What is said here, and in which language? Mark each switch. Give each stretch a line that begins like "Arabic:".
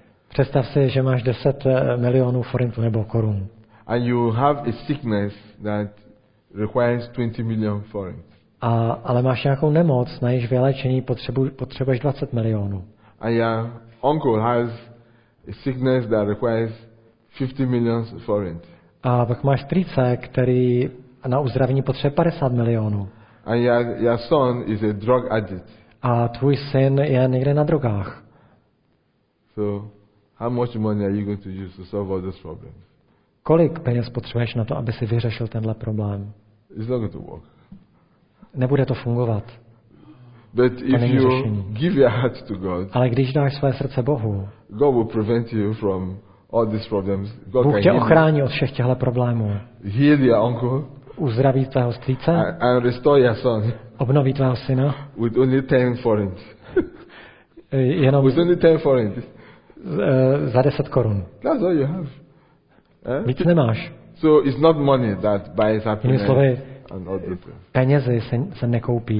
Czech: Představ si, že máš 10 milionů forintů nebo korun.
English: And you have a sickness that requires 20 million forint.
Czech: Ale máš nějakou nemoc, na jejíž vyléčení potřebuješ 20 milionů.
English: And your uncle has a sickness that requires 50 million forint.
Czech: A pak máš strýce, který na uzdravení potřebuje 50 milionů.
English: And your son is a drug addict.
Czech: A tvůj syn je někde na drogách.
English: So, how much money are you going to use to solve all those problems?
Czech: Kolik peněz potřebuješ na to, aby si vyřešil tenhle problém?
English: It's not going to work.
Czech: Nebude to fungovat.
English: But if you give your heart to God,
Czech: ale když dáš své srdce Bohu,
English: God will prevent you from all these problems. God
Czech: Bůh tě ochrání od všech těchto problémů.
English: Heal your uncle.
Czech: Uzdraví tvého strýce.
English: And restore your son.
Czech: Obnoví tvého syna.
English: With only 10 forint.
Czech: Jenom
English: with only 10 forint.
Czech: Za 10 korun.
English: That's all you have.
Czech: Víc nemáš.
English: So it's not money that buys happiness.
Czech: Slovy, penězi se nekoupí.